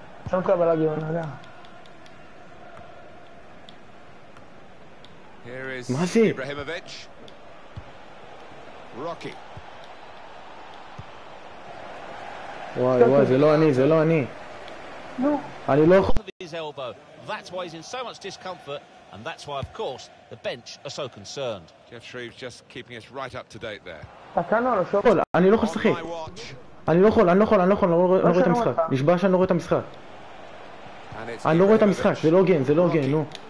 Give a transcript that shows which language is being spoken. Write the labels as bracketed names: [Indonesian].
[Hebrew] שם כל הלאגים, אני יודע. מה זה? רוקי. וואי וואי, זה לא אני, זה לא אני. אני לא יכול... [English] his elbow. That's why he's in so much discomfort, and that's why, of course, the bench are so concerned. Jeff Shreve's just keeping us right up to date there. [Hebrew] אני לא יכול לשחק. אני לא יכול, אני לא יכול, אני לא יכול, אני לא רואה את המשחק. נשבע שאני לא רואה את המשחק. אני לא רואה את המשחק, זה לא גן, זה לא גן, נו.